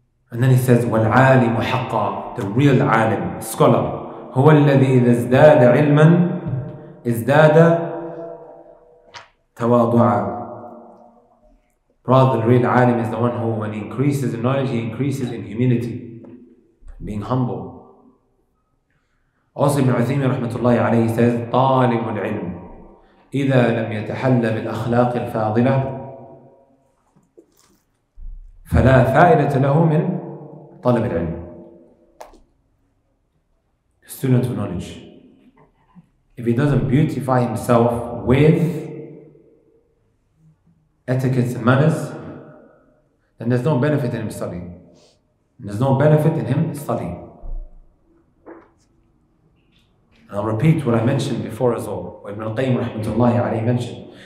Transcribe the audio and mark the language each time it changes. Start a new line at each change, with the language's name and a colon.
English: And then he says,
Arabic: وَالْعَالِمُ حَقَّ.
English: The real alim, scholar.
Arabic: هُوَ الَّذِي إِذَا ازْدَادَ عِلْمًا ازْدَادَ تَوَاضُعًا.
English: Rather, the real alim is the one who, when he increases in knowledge, he increases in humility, being humble. Also, Ibn Uthaymeen rahmatullahi alayhi says,
Arabic: طَالِمُ الْعِلْمُ إذا لم يتحلى بالأخلاق الفاضلة فلا فائدة له من طلب العلم.
English: Student of knowledge. If he doesn't beautify himself with etiquettes and manners, then there's no benefit in him studying. There's no benefit in him studying. And I'll repeat what I mentioned before as well, what Ibn al-Qayyim rahmatullahi alayhi mentioned.